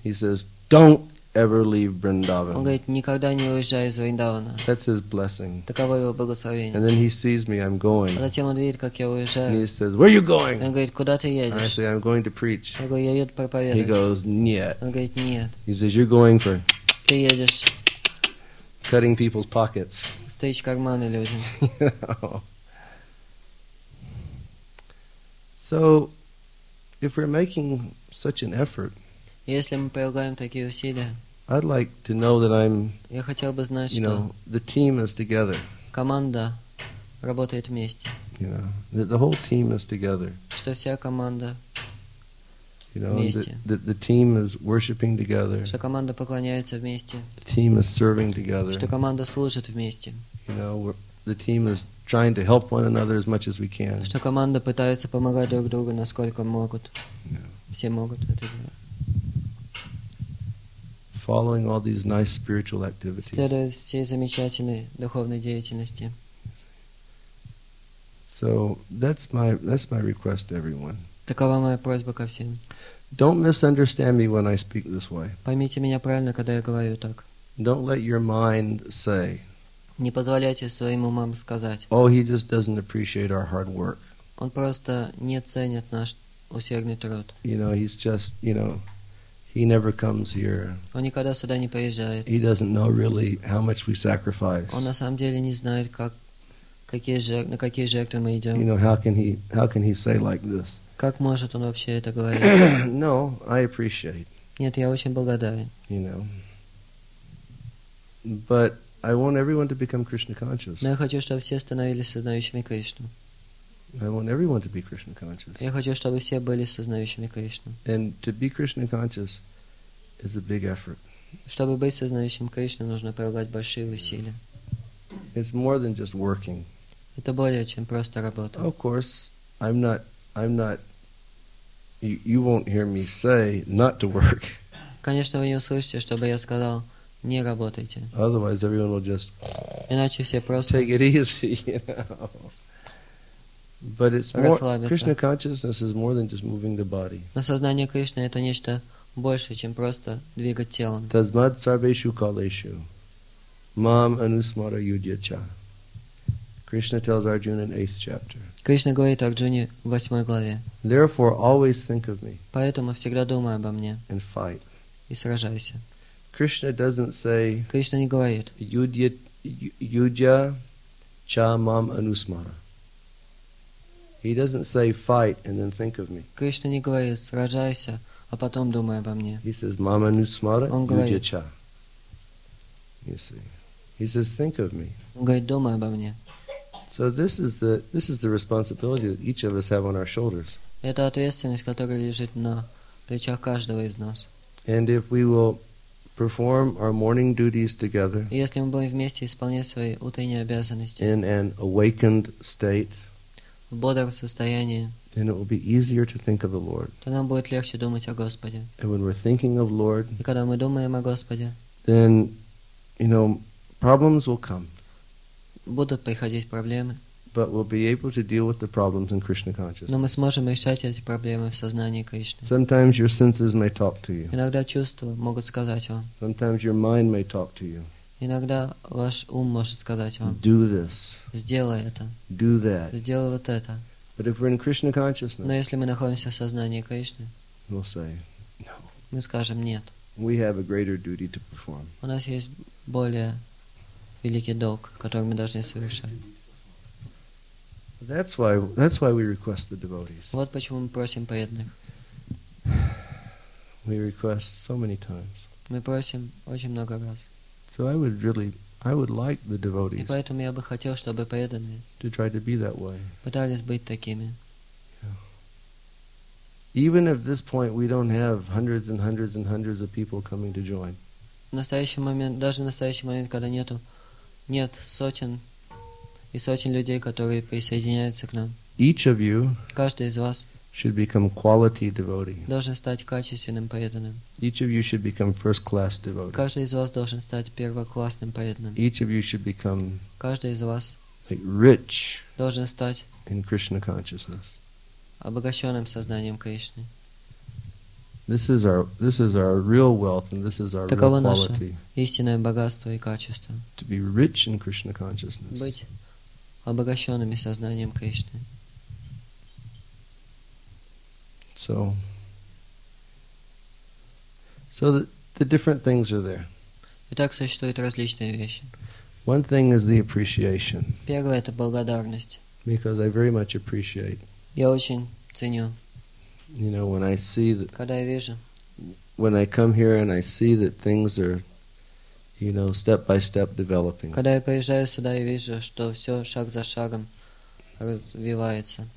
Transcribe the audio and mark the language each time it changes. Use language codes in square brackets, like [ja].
[en] He says, "Don't ever leave Vrindavan." [ru] Он говорит, никогда не уезжай из Вриндавана. [en] That's his blessing. [ru] Таково его благословение. [en] And then he sees me, I'm going. [ru] А затем он видит, как я уезжаю. [en] And he says, "Where are you going?" [ru] Он говорит, куда ты едешь? [en] I say, "I'm going to preach." [ru] Я говорю, я еду проповедовать. [en] He goes, "Нет." [ru] Он говорит, нет. [en] He says, "You're going for." [ru] Ты едешь. [en] Cutting people's pockets. [ru] Стричь карманы людям. [en] So, if we're making such an effort, [ru] если мы прилагаем такие усилия. [en] I'd like to know that I'm. [ru] Я хотел бы знать, что. [en] You know, the team is together. [ru] Команда работает вместе. [en] You know, the whole team is together. [ru] Что вся команда. [en] You know, [ru] вместе. [en] The team is worshiping together. [ru] Что команда поклоняется вместе. [en] The team is serving together. [ru] Что команда служит вместе. [en] You know, the team is trying to help one another as much as we can. [ru] Что команда пытается помогать друг другу насколько могут. [en] Yeah. [ru] Все могут это делать. [en] Following all these nice spiritual activities. [ru] Следуя всей замечательной духовной деятельности. [en] So that's my request to everyone. [ru] Такова моя просьба ко всем. [en] Don't misunderstand me when I speak this way. [ru] Поймите меня правильно, когда я говорю так. [en] Don't let your mind say. [ru] Не позволяйте своим умам сказать. [en] Oh, he just doesn't appreciate our hard work. [ru] Он просто не ценит наш усердный труд. [en] You know, he's just, you know. He never comes here. [ru] Он никогда сюда не приезжает. [en] He doesn't know really how much we sacrifice. [ru] Он на самом деле не знает, как на какие жертвы мы идем. [en] You know, how can he say like this? [ru] Как может он вообще это говорить? [en] No, I appreciate. [ru] Нет, я очень благодарен. [en] You know. But I want everyone to become Krishna conscious. [ru] Но я хочу, чтобы все становились сознающими Кришну. [en] I want everyone to be Krishna conscious. [ru] Я хочу, чтобы все были сознающими Кришну. [en] And to be Krishna conscious is a big effort. [ru] Чтобы быть сознающим Кришну, нужно прилагать большие усилия. [en] It's more than just working. [ru] Это более чем просто работа. [en] Of course, I'm not, You won't hear me say not to work. [ru] Конечно, вы не услышите, чтобы я сказал не работайте. [en] Otherwise, everyone will just. [ru] Иначе все просто. [en] Take it easy, you know. But it's more. Krishna consciousness is more than just moving the body. [ru] На сознание Кришны это нечто большее, чем просто двигать телом. [sa] Tasmad sarveshu kaleshu, mam anusmara yudhyacha. [en] Krishna tells Arjuna in 8th chapter. [ru] Кришна говорит Арджуне в 8 главе. [en] Therefore, always think of me. [ru] Поэтому всегда думай обо мне. [en] And fight. [ru] И сражайся. [en] Krishna doesn't say. [ru] Кришна не говорит. [sa] Yudhyacha mam anusmara. [en] He doesn't say fight and then think of me. [ru] Кришна не говорит сражайся, а потом думай обо мне. [en] He says [sa] mama nusmara yudhyacha. [en] You see. He says think of me. [ru] Он говорит думай обо мне. [en] So this is the responsibility that each of us have on our shoulders. [ru] Это ответственность, которая лежит на плечах каждого из нас. [en] And if we will perform our morning duties together. [ru] Если мы будем вместе исполнять свои утренние обязанности. [en] In an awakened state. [ru] В бодром состоянии. [en] Then it will be easier to think of the Lord. [ru] То нам будет легче думать о Господе. [en] And when we're thinking of Lord. [ru] И когда мы думаем о Господе. [en] Then, you know, problems will come. [ru] Будут приходить проблемы. [en] But we'll be able to deal with the problems in Krishna consciousness. [ru] Но мы сможем решать эти проблемы в сознании Кришны. [en] Sometimes your senses may talk to you. [ru] Иногда чувства могут сказать вам. [en] Sometimes your mind may talk to you. [ru] Иногда ваш ум может сказать вам. [en] Do this. [ru] Сделай это. [en] Do that. [ru] Сделай вот это. [en] But if we're in Krishna consciousness. [ru] Но если мы находимся в сознании Кришны. [en] We'll say no. [ru] Мы скажем нет. [en] We have a greater duty to perform. [ru] У нас есть более великий долг, который мы должны совершать. [en] That's why we request the devotees. [ru] Вот почему мы просим преданных. [en] We request so many times. [ru] Мы просим очень много раз. [en] So I would like the devotees. [ru] И поэтому я бы хотел, чтобы преданные. [en] To try to be that way. [ru] Пытались быть такими. [en] Even at this point, we don't have hundreds and hundreds and hundreds of people coming to join. [ru] В настоящий момент, когда нет сотен и сотен людей, которые присоединяются к нам. [en] Each of you. [ru] Каждый из вас. [en] Should become quality devotee. [ru] Должен стать качественным преданным. [en] Each of you should become first class devotee. [ru] Каждый из вас должен стать первоклассным преданным. [en] Each of you should become. [ru] Каждый из вас. [en] Like rich. [ru] Должен стать. [en] In Krishna consciousness. [ru] Обогащенным сознанием Кришны. [en] This is our real wealth and this is our real quality. [ru] Таково наше истинное богатство и качество. [en] To be rich in Krishna consciousness. [ru] Быть обогащенными сознанием Кришны. [en] So the different things are there. [ru] Итак, существуют различные вещи. [en] One thing is the appreciation. [ru] Первое это благодарность. [en] Because I very much appreciate. [ru] Я очень ценю. [en] You know, when I see that. [ru] Когда я вижу. [en] When I come here and I see that things are, you know, step by step developing. [ru] Когда я приезжаю сюда и вижу, что все шаг за шагом развивается.